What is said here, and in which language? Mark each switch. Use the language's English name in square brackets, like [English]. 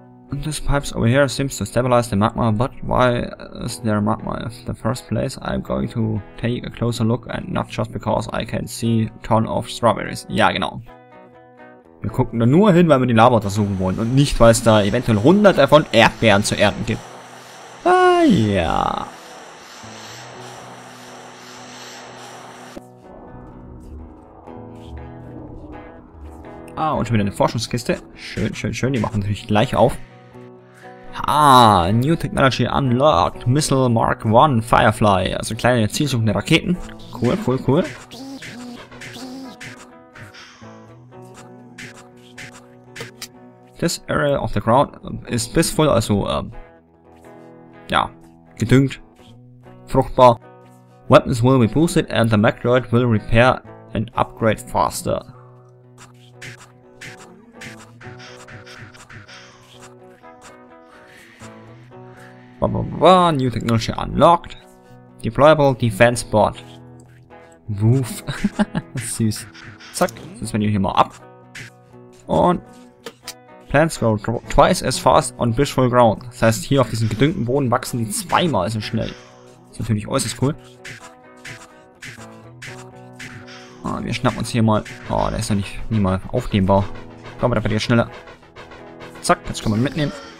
[English] And this pipes over here seems to stabilize the magma, but why is there magma in the first place? I'm going to take a closer look and not just because I can see ton of strawberries. [German] Ja, genau. Wir gucken da nur hin, weil wir die Lava untersuchen wollen und nicht, weil es da eventuell hunderte von Erdbeeren zu ernten gibt. Ah, ja. Ah, und schon wieder eine Forschungskiste. Schön, schön, schön. Die machen natürlich gleich auf. [English] Ah, New Technology Unlocked. [German] Missile Mark 1 Firefly. Also kleine zielsuchende Raketen. Cool, cool, cool. [English] This area of the ground is blissful, [German] also, ja, gedüngt, fruchtbar. [English] Weapons will be boosted and the Macroid will repair and upgrade faster. Blah, blah, blah, new technology unlocked. Deployable defense board. [German] Woof. Süß. Zack, das Menü hier mal ab. Und... [English] Plants grow twice as fast on blissful ground. [German] Das heißt, hier auf diesem gedüngten Boden wachsen die zweimal so schnell. Ist natürlich äußerst cool. Ah, wir schnappen uns hier mal. Oh, der ist noch nicht, nie mal aufnehmbar. Komm, da wird er schneller. Zack, jetzt können wir ihn mitnehmen.